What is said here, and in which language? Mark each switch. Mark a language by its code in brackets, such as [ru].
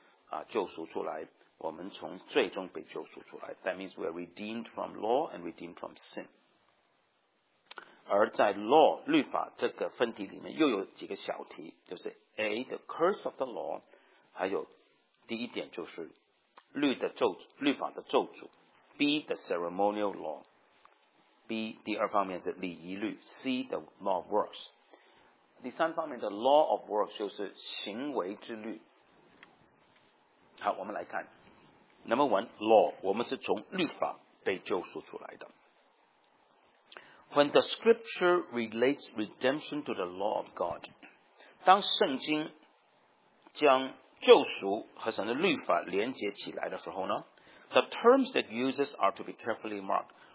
[zh] 第二是罪。意思就是我们是从律法中被救赎出来。我们从罪中被救赎出来。 [en] That means we are redeemed from law and redeemed from sin. [zh] 而在 law, 律法这个分题里面又有几个小题, 就是 A, [en] the curse of the law, [zh] 还有第一点就是律的咒诅, B, [en] the ceremonial law, [zh] B, 第二方面是礼仪律, C, [en] the law of works. [zh] 第三方面, [en] the law of works, [zh] 就是行为之律。好,我们来看。 [en] Number one, law. [zh] 我们是从律法被救赎出来的。 [en] When the scripture relates redemption to the law of God, [zh] 当圣经将救赎和神的律法连接起来的时候呢, [en] the terms it uses are to be carefully marked.